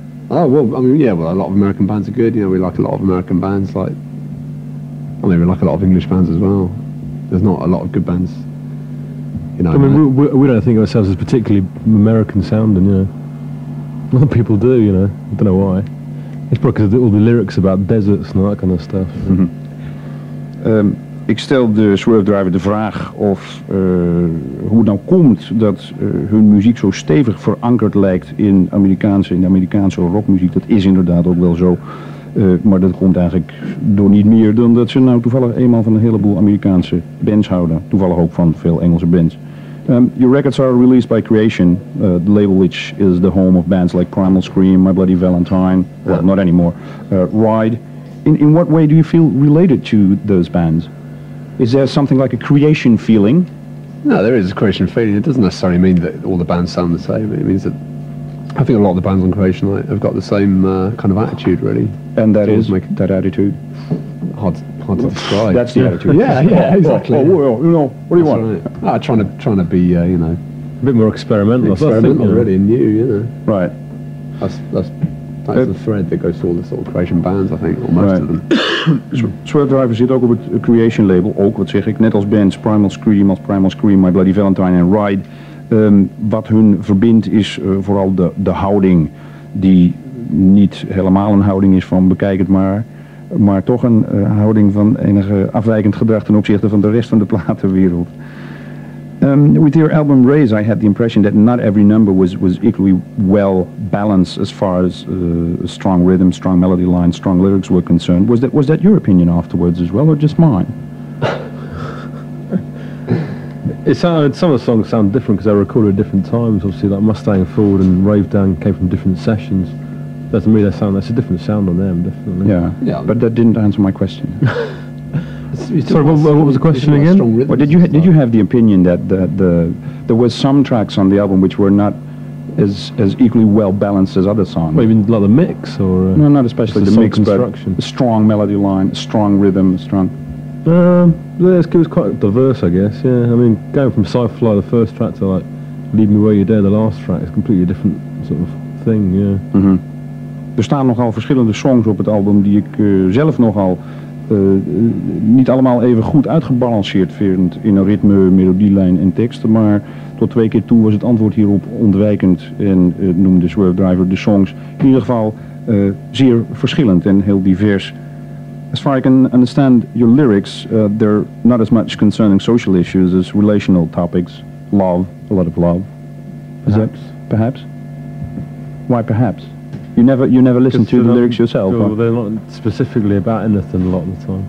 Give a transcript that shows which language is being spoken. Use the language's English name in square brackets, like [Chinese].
[English] Oh, well, I mean, yeah, well, a lot of American bands are good, you know, we like a lot of American bands, like, I mean, we like a lot of English bands as well. There's not a lot of good bands, you know. I mean, we don't think of ourselves as particularly American sounding, you know. A lot of people do, you know, I don't know why. It's probably because of all the lyrics about deserts and all that kind of stuff. [Dutch] Ik stel de Swerve Driver de vraag of hoe het nou komt dat hun muziek zo stevig verankerd lijkt in de Amerikaanse rockmuziek. Dat is inderdaad ook wel zo, maar dat komt eigenlijk door niet meer dan dat ze nou toevallig eenmaal van een heleboel Amerikaanse bands houden. Toevallig ook van veel Engelse bands. [English] Your records are released by Creation, the label which is the home of bands like Primal Scream, My Bloody Valentine, well, not anymore, Ride. In what way do you feel related to those bands? Is there something like a Creation feeling? No, there is a Creation feeling. It doesn't necessarily mean that all the bands sound the same. It means that I think a lot of the bands on Creation have got the same kind of attitude, really. And that is? That attitude? Hard to describe. That's the attitude. Yeah, exactly. Well, you know, what do you that's want? Right. Trying to be, you know... A bit more experimental. Experimental, think, really, and new, you know. Right. That's the thread that goes through all the sort of Creation bands, I think, or most right. of them. [Dutch] Swerve Driver zit ook op het Creation label, ook wat zeg ik, net als bands Primal Scream, My Bloody Valentine en Ride. Wat hun verbindt is vooral de houding, die niet helemaal een houding is van bekijk het maar toch een houding van enige afwijkend gedrag ten opzichte van de rest van de platenwereld. [English] With your album Raise, I had the impression that not every number was equally well balanced as far as strong rhythm, strong melody line, strong lyrics were concerned. Was that your opinion afterwards as well, or just mine? Some of the songs sound different because they were recorded at different times. Obviously, like Mustang Ford and Rave Down came from different sessions. That's me. That's a different sound on them, definitely. Yeah. But that didn't answer my question. Sorry, what was the question again? Well, did you have the opinion that the there were some tracks on the album which were not as equally well balanced as other songs? Well, you mean like the mix or no, not especially the mix, construction. But a strong melody line, strong rhythm, strong. It was quite diverse, I guess. Yeah, I mean, going from Sci-Fly, the first track, to like Leave Me Where You Dare, the last track, is completely different sort of thing. Yeah. Mm-hmm. [Dutch] Er staan nogal verschillende songs op het album die ik zelf nogal niet allemaal even goed uitgebalanceerd vind in een ritme, melodielijn en teksten, maar tot twee keer toe was het antwoord hierop ontwijkend en noemde Swerve Driver de songs in ieder geval zeer verschillend en heel divers. [English] As far as I can understand your lyrics, they're not as much concerning social issues as relational topics, love, a lot of love. Perhaps? Why perhaps? You never listen to the lyrics yourself? Well, they're not specifically about anything a lot of the time.